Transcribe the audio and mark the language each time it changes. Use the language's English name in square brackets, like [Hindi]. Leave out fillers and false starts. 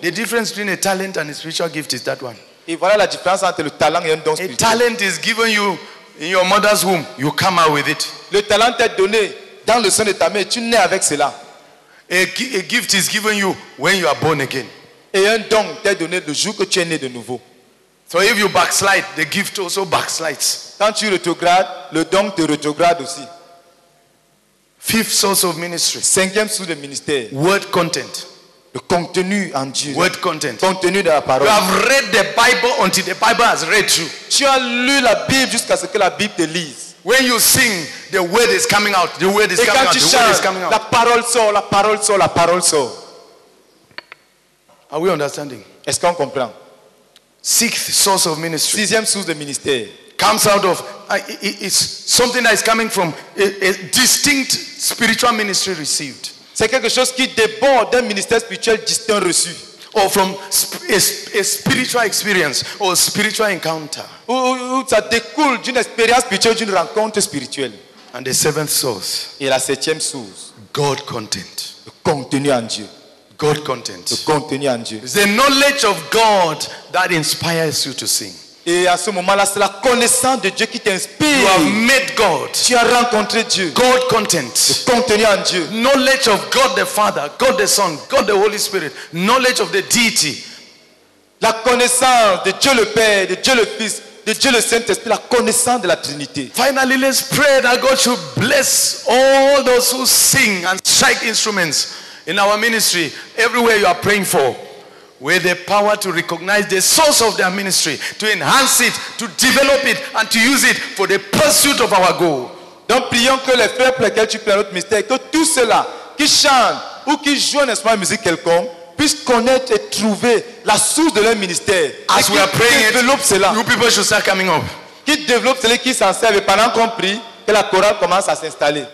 [English] The difference between a talent and a spiritual gift is that one. [French] Et voilà la différence entre le talent et un don spirituel. [English] A talent is given you in your mother's womb. You come out with it. [French] Le talent t'est donné dans le sein de ta mère. Tu nais avec cela. [English] A gift is given you when you are born again. [French] Et un don t'est donné le jour que tu es né de nouveau. [English] So if you backslide, the gift also backslides. [French] Quand tu rétrogrades, le don te rétrograde aussi. [English] Fifth source of ministry. [French] Cinquième source de ministère. [English] Word content. [French] Le contenu en Dieu. [English] Word content. [French] Contenu de la parole. [English] You have read the Bible until the Bible has read you. [French] Tu as lu la Bible jusqu'à ce que la Bible te lise. [English] When you sing, the word is coming out. The word is [French] Et [English] coming out. [French] Chantes, [English] the word is coming out. [French] La parole sort. La parole sort. La parole sort. [English] Are we understanding? [French] Est-ce qu'on comprend? [English] Sixth source of ministry. [French] Sixième source de ministère. [English] Comes out of it's something that is coming from a distinct spiritual ministry received. [French] C'est quelque chose qui déborde d'un ministère spirituel distinct reçu. [English] Or from a spiritual experience or a spiritual encounter. [French] Ou ça découle d'une expérience spirituelle, d'une rencontre spirituelle. [English] And the seventh source. [French] Et la septième source. [English] God content. [French] Le contenu en Dieu. [English] God content. [French] Le contenu en Dieu. [English] It's the knowledge of God that inspires you to sing. [French] Et à ce moment-là, c'est la connaissance de Dieu qui t'inspire. [English] You have met God. [French] Tu as rencontré Dieu. [English] God content. [French] Le contenu en Dieu. [English] Knowledge of God the Father, God the Son, God the Holy Spirit. Knowledge of the deity. [French] La connaissance de Dieu le Père, de Dieu le Fils, de Dieu le Saint-Esprit, la connaissance de la Trinité. [English] Finally, let's pray that God should bless all those who sing and strike instruments in our ministry, everywhere you are praying for. With the power to recognize the source of their ministry, to enhance it, to develop it, and to use it for the pursuit of our goal. [French] Donc prions que les frères pour lesquels tu prends notre ministère, que tous ceux-là qui chantent ou qui jouent, n'est-ce pas, musique quelconque, puissent connaître et trouver la source de leur ministère. [English] As we are praying, [French] développe cela. [English] New people should start coming up. [French] Qui développe cela, qui s'en servent pendant qu'on prie, que la chorale commence à s'installer.